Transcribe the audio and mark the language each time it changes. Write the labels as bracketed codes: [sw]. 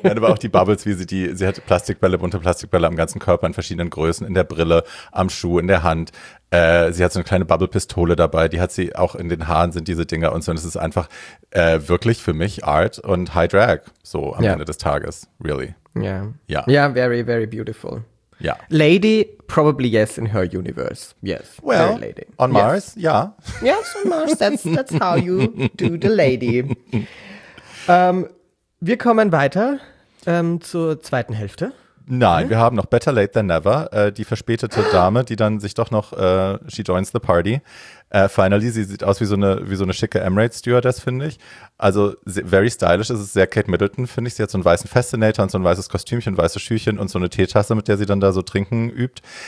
[de] Nein, aber auch die Bubbles, wie sie die, sie hat Plastikbälle, bunte Plastikbälle am ganzen Körper in verschiedenen Größen, in der Brille, am Schuh, in der Hand. Sie hat so eine kleine Bubble-Pistole dabei, die hat sie auch in den Haaren, sind diese Dinger und so. Und es ist einfach wirklich für mich Art und High Drag, so am Ende des Tages, really. Ja. Ja. Ja, [en] very, very beautiful. [de] Ja. [en] Lady, probably yes in her universe. Yes. Well, lady. On Mars, ja. Yes. Yes, on Mars, that's how you do the lady. [de] Wir kommen weiter zur zweiten Hälfte. Nein, wir haben noch Better Late Than Never, die verspätete Dame, die dann sich doch noch, [en] she joins the party. [de] Finally, sie sieht aus wie so eine schicke Emirates-Stewardess, finde ich. Also [en] very stylish, [de] es ist sehr Kate Middleton, finde ich. Sie hat so einen weißen Fascinator und so ein weißes Kostümchen, weiße Schüchen und so eine Teetasse, mit der sie dann da so trinken übt.